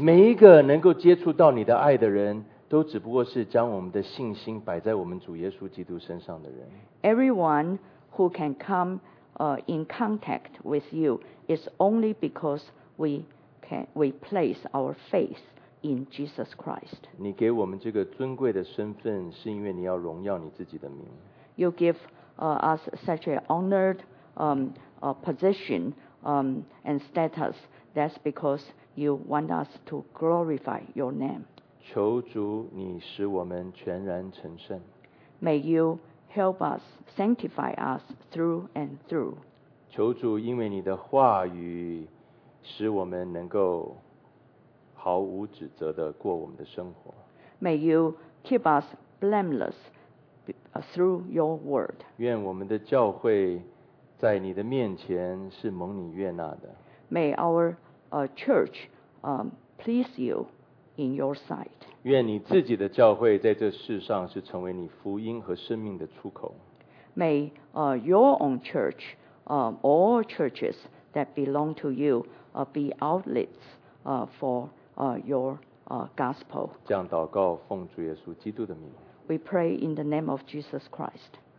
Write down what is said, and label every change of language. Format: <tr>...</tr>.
<zh>每一个能够接触到你的爱的人，都只不过是将我们的信心摆在我们主耶稣基督身上的人。</zh> <en>Everyone who can come in contact with you is only because we place our faith in Jesus Christ.</en> <zh>你给我们这个尊贵的身份，是因为你要荣耀你自己的名。</zh> <en>You give us such an honored position and status. That's because you want us to glorify your name.</en> <zh>求主你使我们全然成圣。</zh> <en>May you help us sanctify us through and through.</en> <zh>求主因为你的话语使我们能够毫无指责地过我们的生活。</zh> <en>May you keep us blameless through your word.</en> <zh>愿我们的教会在你的面前是蒙你悦纳的。</zh> <en>May our church please you in your sight.</en> <zh>愿你自己的教会在这世上是成为你福音和生命的出口。</zh> <en>May your own church, all churches that belong to you be outlets for your gospel.</en> <zh>这样祷告奉主耶稣基督的名。</zh> <en>We pray in the name of Jesus Christ.</en>